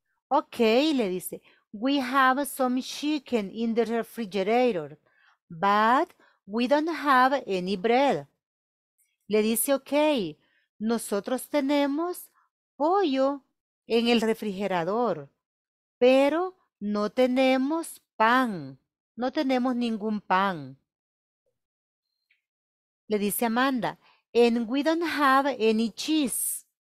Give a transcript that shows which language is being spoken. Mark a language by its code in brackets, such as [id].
[en] Ok, [es] le dice, [en] we have some chicken in the refrigerator, but we don't have any bread. [es] Le dice, ok, nosotros tenemos pollo en el refrigerador, pero no tenemos pan, no tenemos ningún pan. Le dice [en] Amanda, and we don't have any cheese.